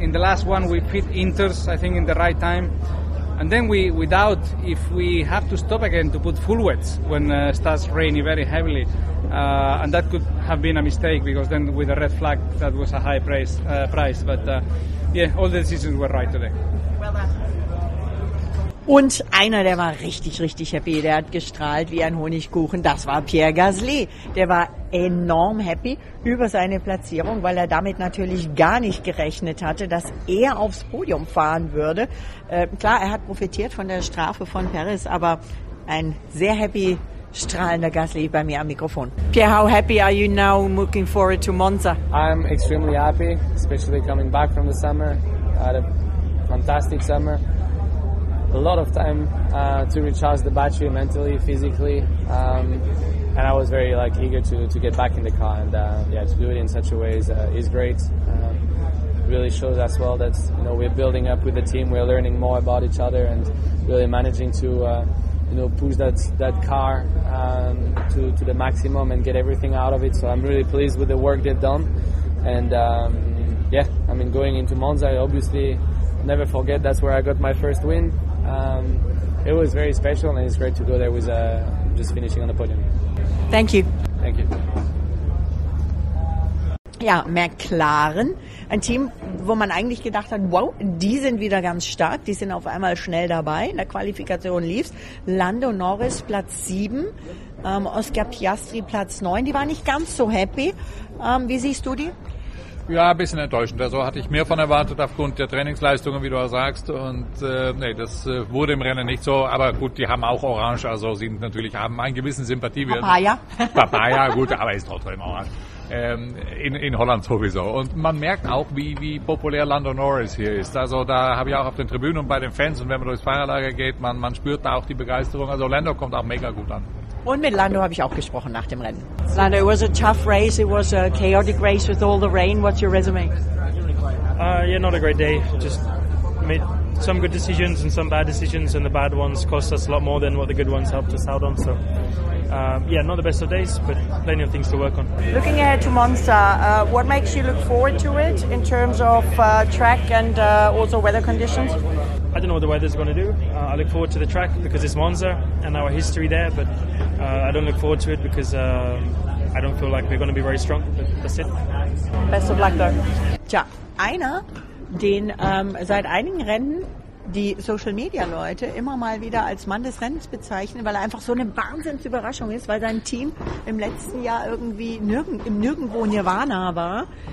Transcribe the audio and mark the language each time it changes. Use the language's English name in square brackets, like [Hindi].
[English] In the last one, we pit Inters, I think, in the right time. And then we doubt if we have to stop again to put full wets when it starts raining very heavily. And that could have been a mistake, because then with a red flag, that was a high price. But yeah, all the decisions were right today. Well done. [German] Und einer, der war richtig, richtig happy, der hat gestrahlt wie ein Honigkuchen, das war Pierre Gasly. Der war enorm happy über seine Platzierung, weil er damit natürlich gar nicht gerechnet hatte, dass er aufs Podium fahren würde. Klar, er hat profitiert von der Strafe von Perez, aber ein sehr happy, strahlender Gasly bei mir am Mikrofon. [English] Pierre, how happy are you now looking forward to Monza? I'm extremely happy, especially coming back from the summer. I had a fantastic summer. A lot of time to recharge the battery mentally, physically, and I was very like eager to get back in the car, and yeah, to do it in such a way is great. Really shows as well that, you know, we're building up with the team, we're learning more about each other, and really managing to you know, push that car to the maximum and get everything out of it. So I'm really pleased with the work they've done, and yeah, I mean, going into Monza, I obviously never forget that's where I got my first win. It was very special, and it's great to go there with just finishing on the podium. Thank you. Thank you. [German] Ja, McLaren, ein Team, wo man eigentlich gedacht hat, wow, die sind wieder ganz stark, die sind auf einmal schnell dabei. In der Qualifikation lief's. Lando Norris Platz 7, Oscar Piastri Platz 9. Die waren nicht ganz so happy. Wie siehst du die? Ja, ein bisschen enttäuschend. Also hatte ich mehr von erwartet aufgrund der Trainingsleistungen, wie du auch sagst. Und nee, das wurde im Rennen nicht so. Aber gut, die haben auch Orange. Also sie natürlich haben einen gewissen Sympathiewert. Papaya, gut, aber ist trotzdem Orange. In Holland sowieso. Und man merkt auch, wie populär Lando Norris hier ist. Also da habe ich auch auf den Tribünen und bei den Fans, und wenn man durchs Fahrerlager geht, man spürt da auch die Begeisterung. Also Lando kommt auch mega gut an. Und mit Lando habe ich auch gesprochen nach dem Rennen. [English] Lando, it was a tough race. It was a chaotic race with all the rain. What's your resume? Yeah, not a great day. Just made some good decisions and some bad decisions, and the bad ones cost us a lot more than what the good ones helped us out on. So, yeah, not the best of days, but plenty of things to work on. Looking ahead to Monza, what makes you look forward to it in terms of track and also weather conditions? I don't know what the weather's going to do. I look forward to the track because it's Monza and our history there, but I don't look forward to it because I don't feel like we're going to be very strong, but that's it. Best of luck, though. [German] Tja, einer, den seit einigen Rennen die Social-Media-Leute immer mal wieder als Mann des Rennens bezeichnen, weil er einfach so eine Wahnsinnsüberraschung ist, weil sein Team im letzten Jahr irgendwie nirgendwo Nirvana war.